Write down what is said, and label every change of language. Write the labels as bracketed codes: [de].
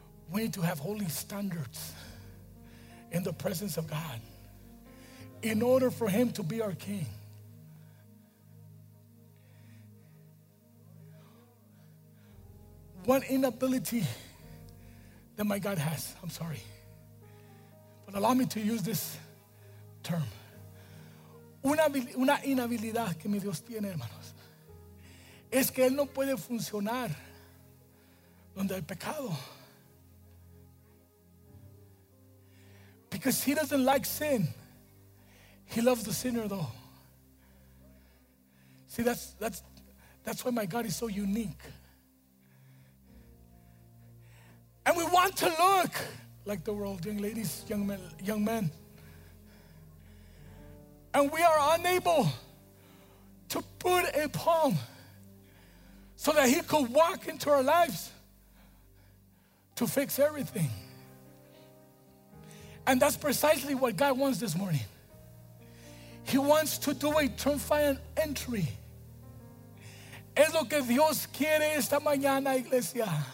[en] We need to have holy standards in the presence of God in order for Him to be our King. What inability that my God has, I'm sorry, but allow me to use this term. [es] Una inhabilidad que mi Dios tiene, hermanos, es que Él no puede funcionar donde hay pecado. [en] Because He doesn't like sin, He loves the sinner though. See, that's That's why my God is so unique. And we want to look like the world, young ladies, young men. And we are unable to put a palm so that he could walk into our lives to fix everything. And that's precisely what God wants this morning. He wants to do a triumphant entry. [es] Es lo que Dios quiere esta mañana, iglesia.